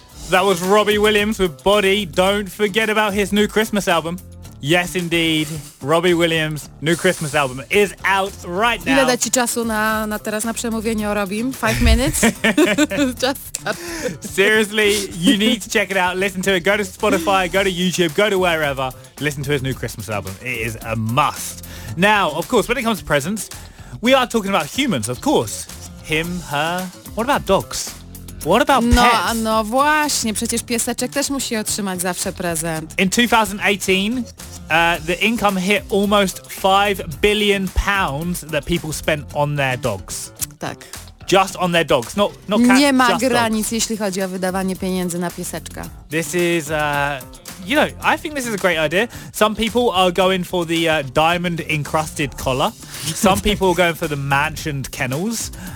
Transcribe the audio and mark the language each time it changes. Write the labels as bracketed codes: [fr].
[en] That was Robbie Williams with Body. Don't forget about his new Christmas album. Yes, indeed. Robbie Williams' new Christmas album is out right now. [pl] Ile da ci czasu na teraz na przemówienie o Robim? [en] 5 minutes? Seriously, you need to check it out. Listen to it. Go to Spotify, go to YouTube, go to wherever. Listen to his new Christmas album. It is a must. Now, of course, when it comes to presents, we are talking about humans, of course. Him, her. What about dogs? What about pets? [pl] No właśnie, przecież pieseczek też musi otrzymać zawsze prezent. [en] In 2018, the income hit almost £5 billion that people spent on their dogs. [pl] Tak. [en] Just on their dogs, not cats. [pl] Nie ma granic, [en] dogs. [pl] Jeśli chodzi o wydawanie pieniędzy na pieseczka. [en] This is, I think this is a great idea. Some people are going for the diamond encrusted collar. Some people are going for the mansioned kennels.